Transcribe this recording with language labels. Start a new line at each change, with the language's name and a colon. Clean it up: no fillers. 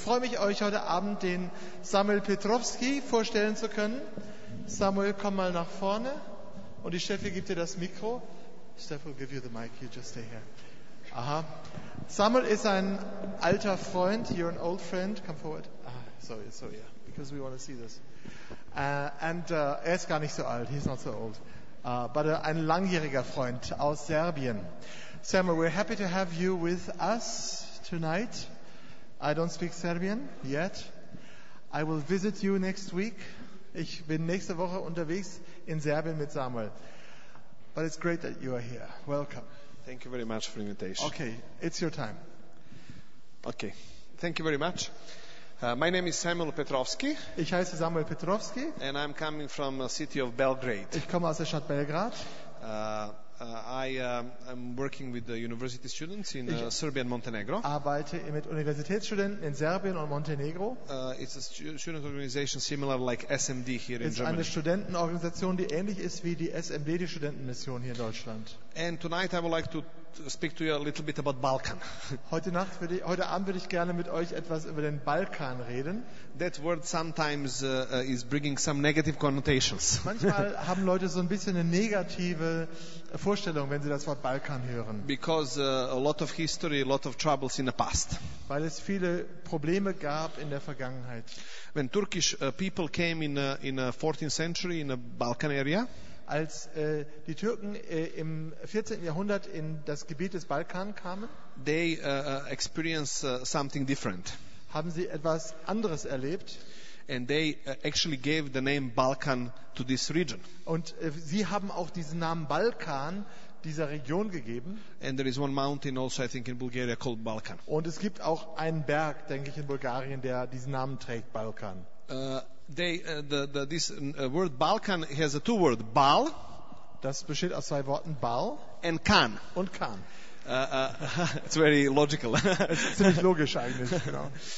German: freue mich, euch heute Abend den Samuel Petrowski vorstellen zu können. Samuel, komm mal nach vorne. Und die Steffi gibt dir das Mikro.
English: Steffi, we'll give you the mic. You just stay here. Aha.
German: Samuel ist ein alter Freund.
English: You're an old friend. Come forward. Sorry. Yeah. Because we want to see this.
German: Er ist gar nicht so alt.
English: He's not so old.
German: But ein langjähriger Freund aus Serbien.
English: Samuel, we're happy to have you with us tonight. I don't speak Serbian yet. I will visit you next week.
German: Ich bin nächste Woche unterwegs in Serbien mit Samuel.
English: But it's great that you are here. Welcome. Thank you very much for the invitation. Okay, it's your time. Okay, thank you very much. My name is Samuel Petrovski.
German: Ich heiße Samuel Petrovski.
English: And I'm coming from the city of Belgrade.
German: Ich komme aus der Stadt Belgrad.
English: I'm working with the university students in Serbia and Montenegro.
German: Arbeite mit Universitätsstudenten in Serbien und Montenegro.
English: It's a student organization similar like SMD here in
German: Es ist eine Studentenorganisation, die ähnlich ist wie die SMD, die Studentenmission hier in Deutschland.
English: And tonight I would like to speak to you a little bit about Balkan.
German: Heute Abend würde ich gerne mit euch etwas über den Balkan reden.
English: That word sometimes is bringing some negative connotations.
German: Manchmal haben Leute so ein bisschen eine negative Vorstellung, wenn sie das Wort Balkan hören.
English: Because a lot of history, a lot of troubles in the past.
German: Weil es viele Probleme gab in der Vergangenheit.
English: When Turkish people came in the 14th century in the Balkan area.
German: Als die Türken im 14. Jahrhundert in das Gebiet des Balkan kamen,
English: they experienced something different.
German: Haben sie etwas anderes erlebt?
English: And they actually gave the name Balkan to this region.
German: Und sie haben auch diesen Namen Balkan dieser Region gegeben.
English: And there is one mountain also, I think, in Bulgaria called Balkan.
German: Und es gibt auch einen Berg, denke ich, in Bulgarien, der diesen Namen trägt, Balkan.
English: Word Balkan has a two word, Bal.
German: Das besteht aus zwei Worten, Bal.
English: And Kan.
German: Und Kan.
English: It's very logical.
German: Es ist ziemlich logisch eigentlich, genau.